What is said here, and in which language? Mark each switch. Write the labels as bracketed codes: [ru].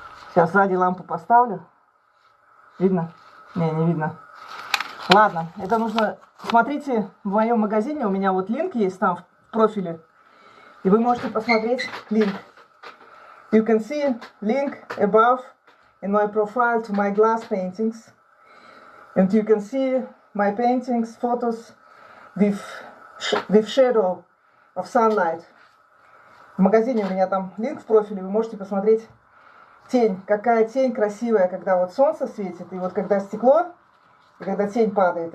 [ru] Сейчас сзади лампу поставлю. Видно? Не, не видно. Ладно, это нужно... Смотрите в моем магазине, у меня вот линк есть там в профиле. И вы можете посмотреть линк. [en] You can see link above in my profile to my glass paintings. And you can see my paintings, photos with shadow. Of sunlight. [ru] В магазине у меня там линк в профиле, вы можете посмотреть тень. Какая тень красивая, когда вот солнце светит, и вот когда стекло, и когда тень падает.